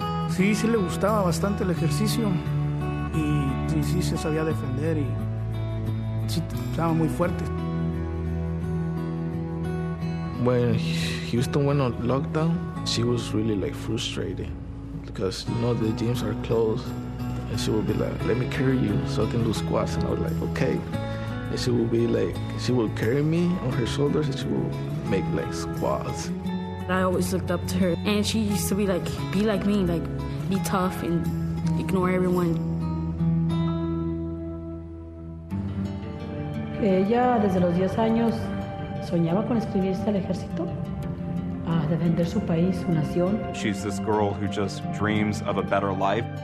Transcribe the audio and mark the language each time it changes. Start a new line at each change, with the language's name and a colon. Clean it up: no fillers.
Spanish: Sí, sí le gustaba bastante el ejercicio y sí se sabía defender y sí estaba muy fuerte.
English: When Houston went on lockdown, she was really like frustrated because you know the gyms are closed and she would be like, "Let me carry you so I can do squats," and I was like, "Okay." And she will be like, she will carry me on her shoulders and she will make like squats. I always looked up to her and she used to be like, be like me, like be tough and ignore everyone.
Spanish: Ella desde los 10 años soñaba con inscribirse al ejército, a defender su país, su nación.
English: She's this girl who just dreams of a better life.